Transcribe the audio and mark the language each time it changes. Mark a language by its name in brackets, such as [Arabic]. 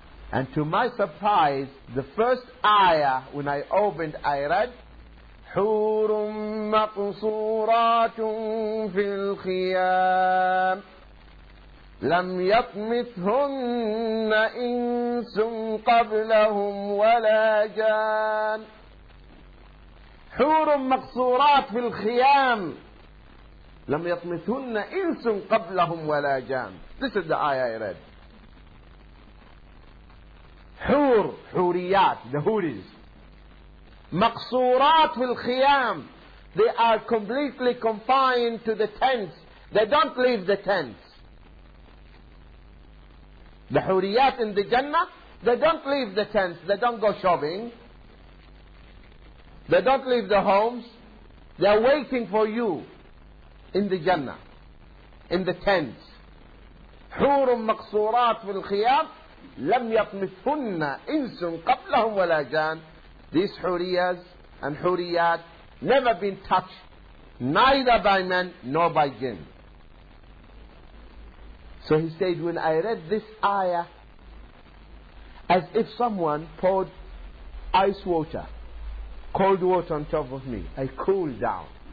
[English] And to my surprise, the first ayah when I opened, I read, [Arabic] حور مقصورات في الخيام لم يطمثهن إنس قبلهم ولا جان. حور مقصورات في الخيام لم يطمثهن إنس قبلهم ولا جان. [English] This is the ayah I read. [Arabic] حور, حوريات, [English] the houris. [Arabic] مقصورات في الخيام. [English] They are completely confined to the tents. They don't leave the tents. The حوريات in the Jannah, they don't leave the tents. They don't go shopping. They don't leave the homes. They are waiting for you in the Jannah, in the tents. [Arabic] حور مقصورات في الخيام لم يطمثهن إنس قبلهم ولا جان. [English] These huriyas and huriyat never been touched, neither by men nor by jinn. So he said, when I read this ayah, as if someone poured ice water, cold water on top of me, I cooled down.